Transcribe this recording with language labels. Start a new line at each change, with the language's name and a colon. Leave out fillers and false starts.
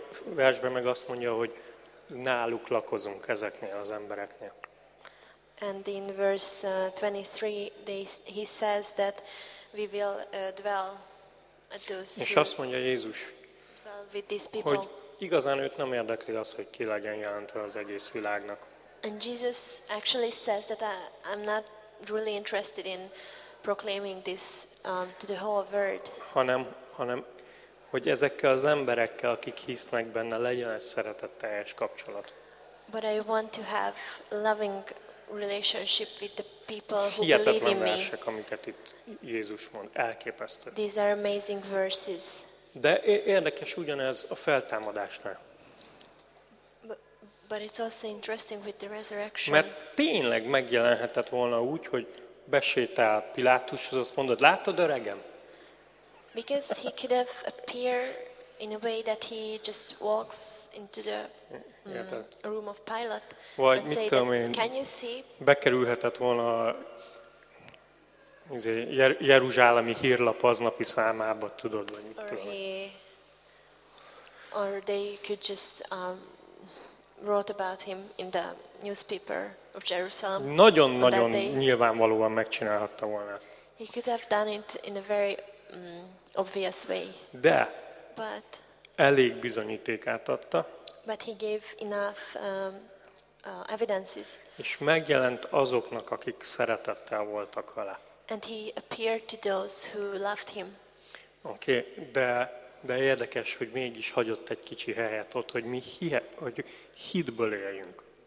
Hungarian: versben meg azt mondja, hogy náluk lakozunk ezeknél az embereknél.
English: And in verse 23 he says that we will dwell at those.
Hungarian: És azt mondja Jézus,
English: with these people.
Hungarian: Hogy igazán őt nem érdekli az, hogy ki legyen jelentve az egész világnak.
English: And Jesus actually says that I'm not really interested in proclaiming this to the whole world.
Hungarian: Hanem hogy ezekkel az emberekkel, akik hisznek benne, legyen egy szeretetteljes kapcsolat.
English: But I want to have loving relationship with the people who believe in me.
Hungarian: Hihetetlen versek, amiket itt Jézus mond, elképesztő.
English: These are amazing verses.
Hungarian: De érdekes ugyanez a feltámadásnál.
English: But it's also interesting with the resurrection.
Hungarian: Mert tényleg megjelenhetett volna úgy, hogy besétál Pilátushoz, azt mondod, látod öregem?
English: Because he could have appeared in a way that he just walks into the room of Pilate
Hungarian: vagy
English: and say, can you see?
Hungarian: Bekerülhetett volna a jeruzsálemi hírlap aznapi számába, tudod, vagy mit tudom.
English: Or they could just wrote about him in the newspaper of Jerusalem.
Hungarian: Nagyon-nagyon nyilvánvalóan megcsinálhatta volna ezt.
English: He could have done it in a very obvious way.
Hungarian: De.
English: But.
Hungarian: Elég bizonyítékát adta.
English: But he gave enough evidences.
Hungarian: És megjelent azoknak, akik szeretettel voltak vele.
English: And he appeared to those who loved him.
Hungarian: Oké, okay, de érdekes, hogy mégis hagyott egy kicsi helyet ott, hogy mi hogy hitből éljünk.